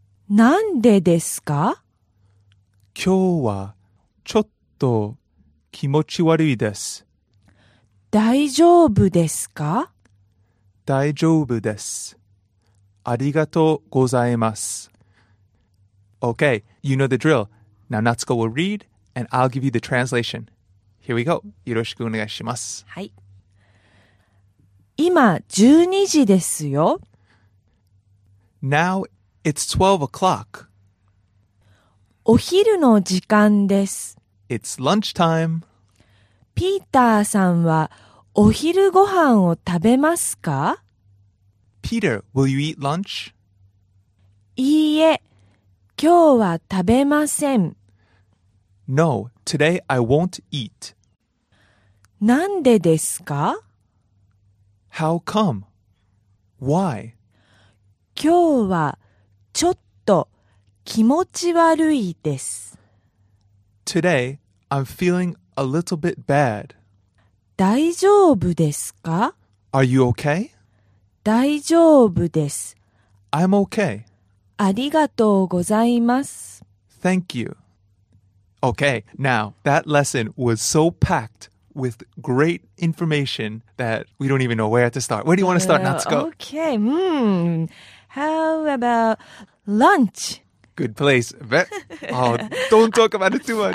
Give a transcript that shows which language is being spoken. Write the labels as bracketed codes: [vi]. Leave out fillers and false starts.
[ja] なんでですか？今日はちょっと気持ち悪いです。大丈夫ですか？大丈夫です。ありがとうございます。 [en] Okay, you know the drill. Now Natsuko will read and I'll give you the translation. Here we go. [ja] よろしくお願いします。はい。今12時ですよ。 [en] Now it's 12 o'clock. [ja] お昼の時間です。 [en] It's lunchtime. [ja] ピーターさんはお昼ご飯を食べますか？ [en] Peter, will you eat lunch? [ja] いいえ、今日は食べません。 [en] No, today I won't eat. [ja] なんでですか？ [en] How come? Why? [ja] 今日はちょっと気持ち悪いです。 [en] Today, I'm feeling a little bit bad. [ja] 大丈夫ですか？ [en] Are you okay? [ja] 大丈夫です。 [en] I'm okay. [ja] ありがとうございます。 [en] Thank you. Okay, now, that lesson was so packed with great information that we don't even know where to start. Where do you want to start, Natsuko? Okay, How about lunch? Good place. Oh, don't talk about it too much.